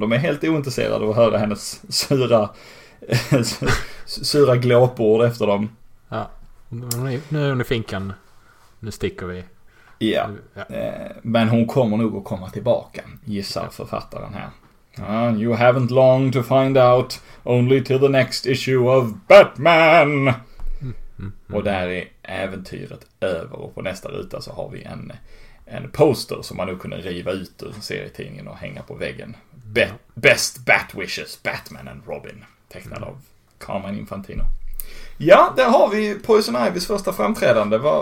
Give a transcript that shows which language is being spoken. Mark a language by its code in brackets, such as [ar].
[sv] De är helt ointresserade av att höra hennes sura sura glåpord efter dem. Ja. Nu är hon i finkan. Nu sticker vi. [en] Yeah. [sv] Ja, men hon kommer nog att komma tillbaka, gissar författaren här. [en] You haven't long to find out, only till the next issue of Batman. [sv] Och där är äventyret över, och på nästa ruta så har vi en poster som man nog kunde riva ut ur serietidningen och hänga på väggen. [en] Best Bat Wishes, Batman and Robin, [sv] tecknad av [en] Carmen Infantino. [sv] Ja, där har vi Poison Ivys första framträdande.